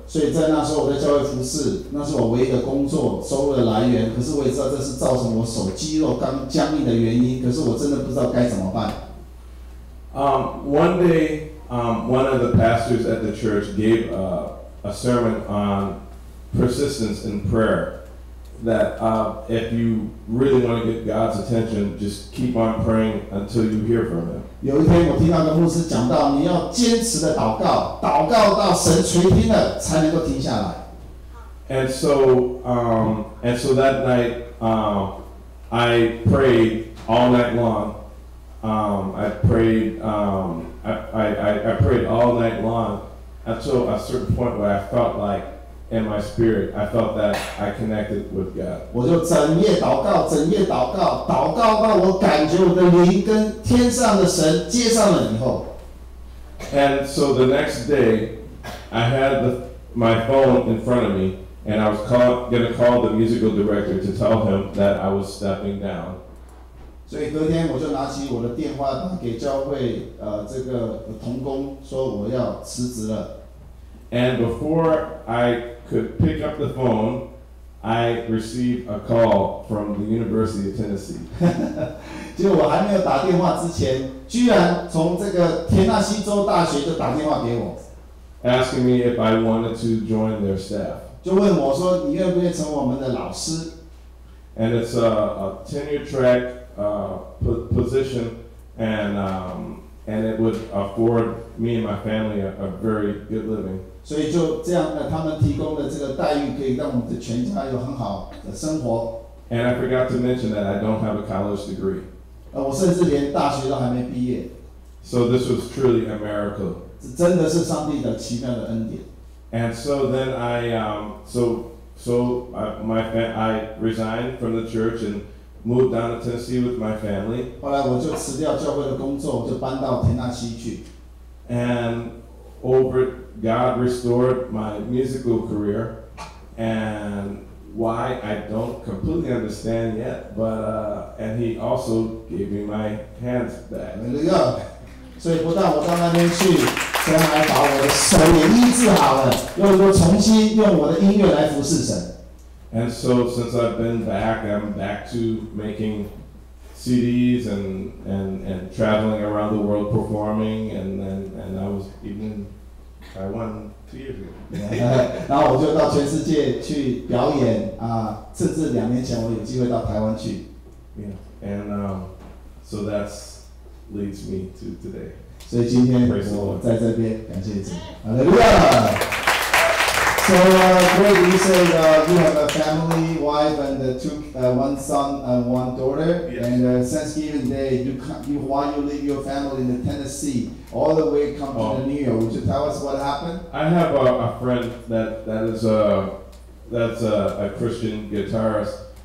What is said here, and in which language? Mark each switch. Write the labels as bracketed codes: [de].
[zh] 所以在那时候我在教会服事，那是我唯一的工作收入的来源。可是我也知道这是造成我手肌肉刚僵硬的原因。可是我真的不知道该怎么办。 [en] One day, one of the pastors at the church gave a sermon on persistence in prayer. That if you really want to get God's attention, just keep on praying until you hear from Him. [zh] 有一天我听到的牧师讲到，你要坚持的祷告，祷告到神垂听了才能够停下来。 [en] And so that night, I prayed all night long. I prayed all night long until a certain point where I felt like. In my spirit, I felt that I connected with God. [zh] 我就整夜祷告，整夜祷告，祷告到我感觉我的灵跟天上的神接上了以后。 [en] And so the next day, I had my phone in front of me, and I was gonna call the musical director to tell him that I was stepping down. [zh] 所以隔天我就拿起我的电话打给教会这个同工，说我要辞职了。 [en] And before I could pick up the phone, I received a call from the University of Tennessee. [zh] 就我还没有打电话之前，居然从这个田纳西州大学就打电话给我 [en] ，asking me if I wanted to join their staff. [zh] 就问我说，你愿不愿意成我们的老师 [en] ？And it's a tenure track position, and it would afford me and my family a very good living. [zh] 所以就这样呢，他们提供的这个待遇可以让我们的全家有很好的生活。 [en] And I forgot to mention that I don't have a college degree. [zh] 我甚至连大学都还没毕业。 [en] So this was truly a miracle. [zh] 这真的是上帝的奇妙的恩典。 [en] And so then I resigned from the church and moved down to Tennessee with my family. [zh] 后来我就辞掉教会的工作，就搬到田纳西去。 [en] And over. God restored my musical career, and why I don't completely understand yet, but He also gave me my hands back. Hallelujah! [zh] So, 不但我到那边去，神还把我的手也医治好了，又重新用我的音乐来服侍神。 [en] And so since I've been back, I'm back to making CDs and traveling around the world performing, and I was even Taiwan 2 years ago. [zh] 然后我就到全世界去表演啊，甚至两年前我有机会到台湾去。 [en] Yeah, and so that leads me to today. [zh] 所以今天我在这边感谢主。 [en] Hallelujah. So Greg, you said you have a family, wife, and one son and one daughter. Yes. And Thanksgiving Day, why you leave your family in Tennessee all the way come to the New York? Would you tell us what happened? I have a friend that's a Christian guitarist.